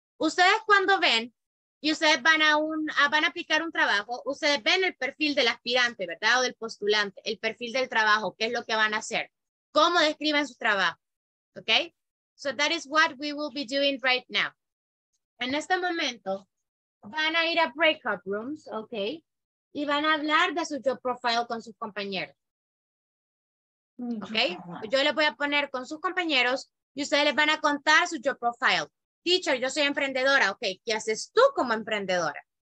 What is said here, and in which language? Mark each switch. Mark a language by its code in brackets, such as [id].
[es] Ustedes cuando ven y ustedes van a van a aplicar un trabajo, ustedes ven el perfil del aspirante, ¿verdad? O del postulante, el perfil del trabajo, qué es lo que van a hacer, cómo describen su trabajo, ¿ok? [en] So that is what we will be doing right now. [es] En este momento van a ir a breakout rooms, ¿ok? Y van a hablar de su job profile con sus compañeros. ¿Ok? Yo les voy a poner con sus compañeros y ustedes les van a contar su job profile. Teacher, yo soy emprendedora. ¿Ok? ¿Qué haces tú como emprendedora?